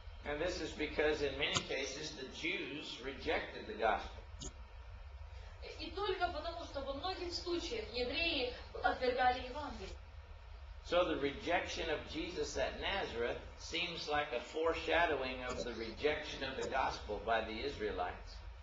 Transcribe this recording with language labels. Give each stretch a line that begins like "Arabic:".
English: And this is because in many cases the Jews rejected the gospel.
Russian: И только потому, что во многих случаях евреи отвергали Евангелие.
English: So the rejection of Jesus at Nazareth seems like a foreshadowing of the rejection of the gospel by the Israelites.